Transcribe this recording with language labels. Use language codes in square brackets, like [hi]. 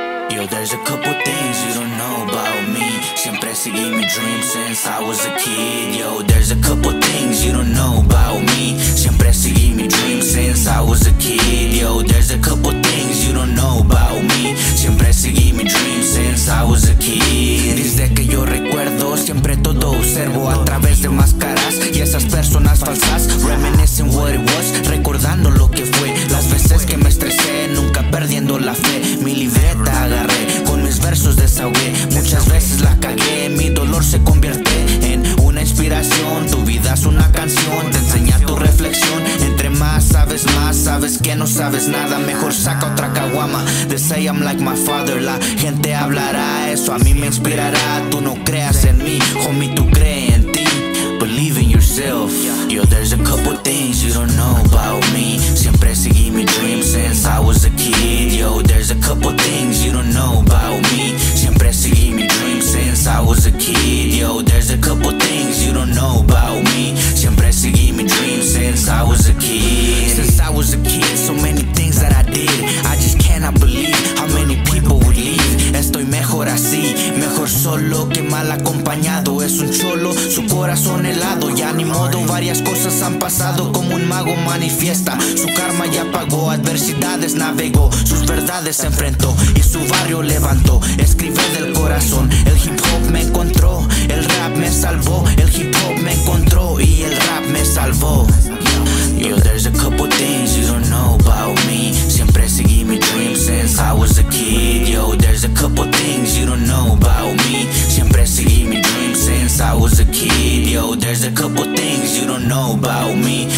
[en] yo, there's a couple things you don't know about me. [es] Siempre seguí mi dream [en] since I was a kid. Yo, there's a couple things you don't know about me. [es] Siempre seguí mi dream [en] since I was a kid. Yo, there's a couple things you don't know about me. [es] Siempre seguí mi [en] dream since I was a kid. [es] Desde que yo recuerdo, siempre todo observo a través de máscaras y esas personas falsas. [en] Reminiscing what it was, [es] recordando lo que fue. Las veces que me estresé, nunca perdiendo la fe. Mi libreta agarré, con mis versos desahogué. Muchas veces la cagué, mi dolor se convierte en una inspiración. Tu vida es una canción, te enseña tu reflexión. Entre más, sabes que no sabes nada. Mejor saca otra caguama. [en] They say I'm like my father, [es] la gente hablará. Eso a mí me inspirará. Tú no creas en mí, homie, tú cree en ti. [en] Believe in yourself. Yo, there's a couple things you don't know about me. [es] Siempre seguí mi dream [en] since I was a kid. Yo, there's a couple things you don't know about me. [es] Siempre seguí mi dream [en] since I was a kid. Yo, there's a couple things you don't know about me. [es] Siempre seguí mi dream [en] since I was a kid. Since I was a kid, so many things that I did. I just cannot believe how many people would leave. [es] Estoy mejor así, mejor solo que mal acompañado. Es un cholo, su corazón helado. Ya ni modo, varias cosas han pasado. Como un mago manifiesta, su karma ya pagó. Adversidades navegó, sus verdades enfrentó. Y su barrio levantó, escribe del corazón. El hip hop me encontró, el rap me salvó. El hip hop me encontró y el rap me salvó. [en] Yo, there's a couple things you don't know about me. [es] Siempre seguí mi dream [en] since I was a kid. Yo, there's a couple things you don't know about me. [es] Siempre seguí mi dream [en] since I was a kid. Yo, there's a couple things you don't know about me.